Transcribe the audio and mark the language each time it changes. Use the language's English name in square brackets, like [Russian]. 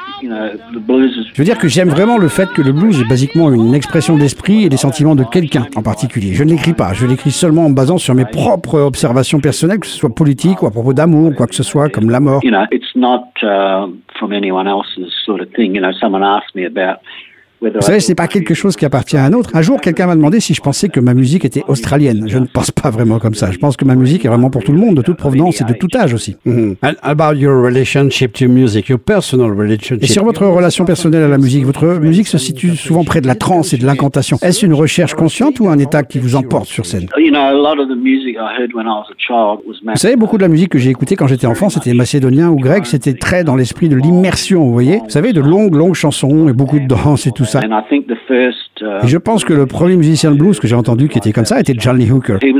[French] Je veux dire que j'aime vraiment le fait que le blues est basiquement une expression d'esprit et des sentiments de quelqu'un en particulier. Je ne l'écris pas, je l'écris seulement en me basant sur mes propres observations personnelles, que ce soit politique ou à propos d'amour, quoi que ce soit, comme la mort. [English] You know, it's not from anyone else's sort of thing. You know, someone asked me about. [French] Vous savez, ce n'est pas quelque chose qui appartient à un autre. Un jour, quelqu'un m'a demandé si je pensais que ma musique était australienne. Je ne pense pas vraiment comme ça. Je pense que ma musique est vraiment pour tout le monde, de toute provenance et de tout âge aussi. [English] And about your relationship to music, your personal relationship. [French] Et sur votre relation personnelle à la musique, votre musique se situe souvent près de la transe et de l'incantation. Est-ce une recherche consciente ou un état qui vous emporte sur scène? Vous savez, beaucoup de la musique que j'ai écoutée quand j'étais enfant, c'était macédonien ou grec, c'était très dans l'esprit de l'immersion, vous voyez. Vous savez, de longues, longues chansons et beaucoup de danse et tout. Et je pense que le premier musicien de blues que j'ai entendu qui était comme ça était Johnny Hooker.